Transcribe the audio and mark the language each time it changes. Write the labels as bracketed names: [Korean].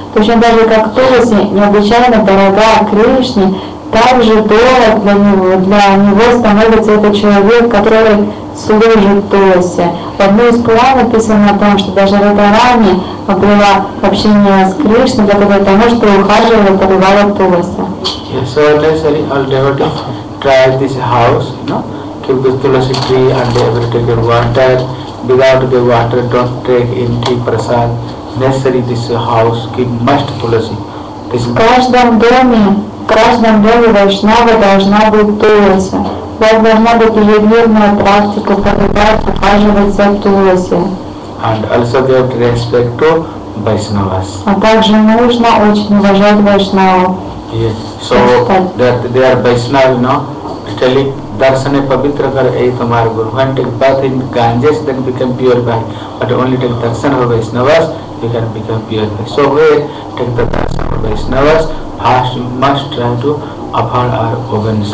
[Russian] Точно даже как Тулоси необычайно дорога Кришне, так же дорог для него становится этот человек, который служит Тулоси. В одной из Пуран написано о том, что даже Радхарани обрела общение с Кришной благодаря тому, что ухаживала и поливала Тулоси. [English] Try this house, you know, keep the tulasi tree and every take your water. Without the water, don't take any tea prasad. Necessary this house, keep must tulasi. This in [Russian] каждом доме Вайшнава должна быть тулоси. Вот должна быть ежедневная практика, поливать, ухаживать за тулоси. [English] And also give respect to Vaishnavas. [Russian] А также нужно очень уважать Вайшнаву. [English] Yes. So that they are Vaishnava, you know, telling [Bangla] Darsane Pavitra Kar Ehi Tamar Guru. [English] When take bath in Ganges, then become pure by. But only take Darsana of Vaishnavas, you can become pure by. So we take the Darsana of Vaishnavas, first must try to uphold our obedience.